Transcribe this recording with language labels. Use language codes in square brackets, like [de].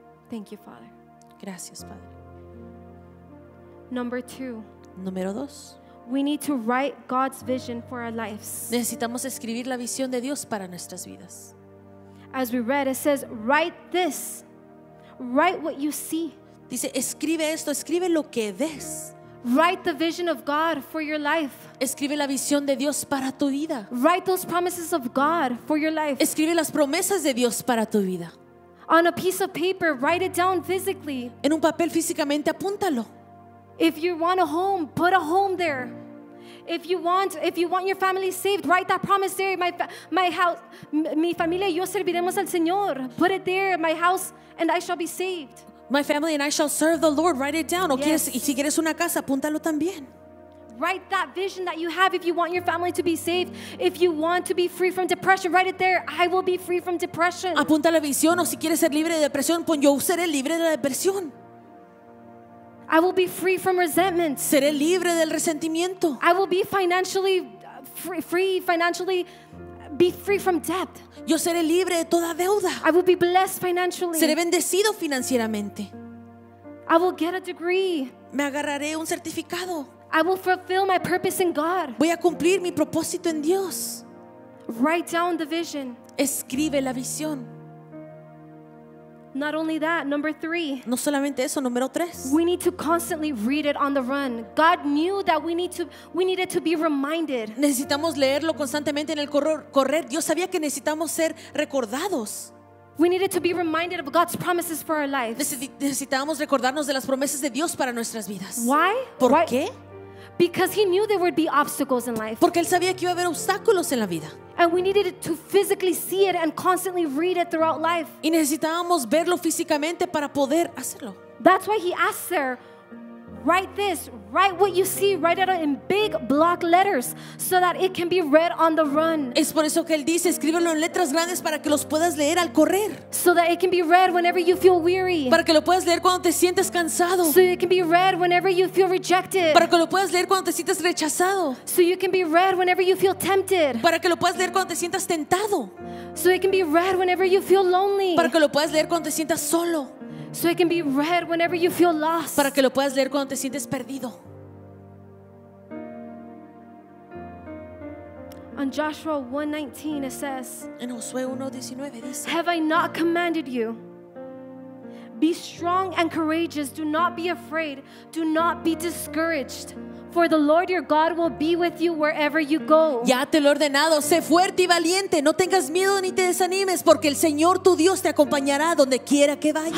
[en] Thank you, Father. [es] Gracias, Padre. [en] Number two. [es] Número dos. [en] We need to write God's vision for our lives. [es] Necesitamos escribir la visión de Dios para nuestras vidas. [en] As we read, it says, write this. Write what you see. [es] Dice, escribe esto, escribe lo que ves. [en] Write the vision of God for your life. [es] Escribe la visión de Dios para tu vida. [en] Write those promises of God for your life. [es] Escribe las promesas de Dios para tu vida. [en] On a piece of paper, write it down physically. [es] En un papel físicamente, apúntalo. [en] If you want a home, put a home there. If you want your family saved, write that promise there. My house, [es] mi familia y yo serviremos al Señor. [en] Put it there. My house and I shall be saved. My family and I shall serve the Lord. Write it down. Yes. [es] Y si quieres una casa, apúntalo también. [en] Write that vision that you have. If you want your family to be saved, if you want to be free from depression, write it there. I will be free from depression. [es] Apunta la visión, o si quieres ser libre de depresión, pon yo seré libre de la depresión. [en] I will be free from resentment. [es] Seré libre del resentimiento. [en] I will be financially free, financially be free from debt. [es] Yo seré libre de toda deuda. [en] I will be blessed financially. [es] Seré bendecido financieramente. [en] I will get a degree. [es] Me agarraré un certificado. [en] I will fulfill my purpose in God. [es] Voy a cumplir mi propósito en Dios. [en] Write down the vision. [es] Escribe la visión. [en] Not only that, number three. [es] No solamente eso, número tres. [en] We need to constantly read it on the run. God knew that we needed to be reminded. [es] Necesitamos leerlo constantemente en el correr. Dios sabía que necesitamos ser recordados. [en] We needed to be reminded of God's promises for our lives. [es] Necesitábamos recordarnos de las promesas de Dios para nuestras vidas. [en] Why? [es] ¿Por [en] Why? [es] Qué? [en] Because he knew there would be obstacles in life. [es] Porque él sabía que iba a haber obstáculos en la vida. [en] And we needed to physically see it and constantly read it throughout life. [es] Y necesitábamos verlo físicamente para poder hacerlo. [en] That's why he asked her, write this, write what you see, write it in big block letters so that it can be read on the run. [es] Es por eso que él dice, escríbelo en letras grandes para que los puedas leer al correr. [en] So that it can be read whenever you feel weary. [es] Para que lo puedas leer cuando te sientes cansado. [en] So it can be read whenever you feel rejected. [es] Para que lo puedas leer cuando te sientes rechazado. [en] So you can be read whenever you feel tempted. [es] Para que lo puedas leer cuando te sientas tentado. [en] So it can be read whenever you feel lonely. [es] Para que lo puedas leer cuando te sientas solo. [en] So it can be read whenever you feel lost. [es] Para que lo puedas leer cuando te sientes perdido. [en] On Joshua 1:19 it says, [es] en Josué 1:19 dice, [en] have I not commanded you? Be strong and courageous. Do not be afraid. Do not be discouraged. For the Lord your God will be with you wherever you go. [es] Ya te lo he ordenado. Sé fuerte y valiente. No tengas miedo ni te desanimes, porque el Señor tu Dios te acompañará donde quiera que vayas.